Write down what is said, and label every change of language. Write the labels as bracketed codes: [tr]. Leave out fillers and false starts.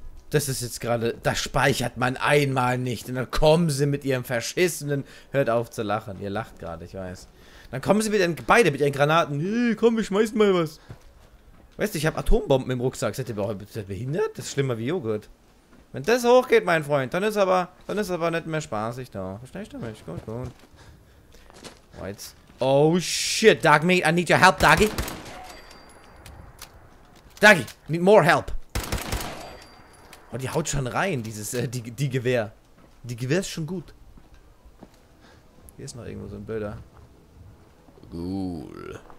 [de] Das ist jetzt gerade, das speichert man einmal nicht. Und dann kommen sie mit ihrem verschissenen, hört auf zu lachen. Ihr lacht gerade, ich weiß. Dann kommen sie beide mit ihren Granaten. Hey, komm, wir schmeißen mal was. Weißt du, ich habe Atombomben im Rucksack. Seid ihr behindert? Das ist schlimmer wie Joghurt. Wenn das hochgeht, mein Freund, dann ist aber nicht mehr spaßig da. Verstehst du mich? Gut, gut. White. [en] Oh shit, Dogmeat, I need your help, Doggy. Doggy, need more help. [de] Oh, die haut schon rein, dieses, die Gewehr. Die Gewehr ist schon gut. Hier ist noch irgendwo so ein Bilder. Ghoul.